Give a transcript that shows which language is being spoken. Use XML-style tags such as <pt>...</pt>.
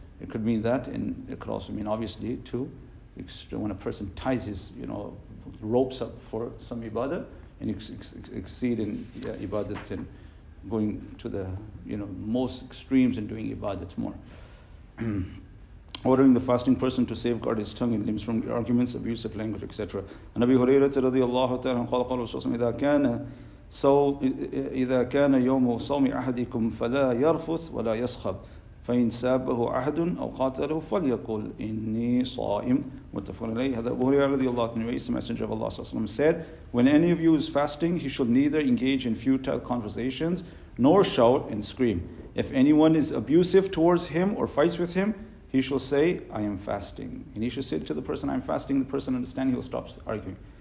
<en>It could mean that, and it could also mean, obviously, too, when a person ties his, ropes up for some ibadah, and exceed in ibadah, and going to the, most extremes and doing ibadah more. Ordering the fasting person to safeguard his tongue and limbs from arguments, abusive language, etc.</en> <ar>And Abi Huraira radiallahu ta'ala qala qala Rasulullah sallallahu alayhi wa sallam, إذا كان يوم صوم أحدكم فلا يرفث ولا يصخب فإن سابه أحد أو قاتله فليقل إني صائم. متفق عليه. هذا أبو هريرة رضي الله عنه,</ar> <en>the Messenger of Allah sallallahu alayhi wa sallam said, when any of you is fasting, he should neither engage in futile conversations nor shout and scream. If anyone is abusive towards him or fights with him, he shall say, I am fasting. And he shall say to the person, I am fasting. The person understands, he will stop arguing.</en>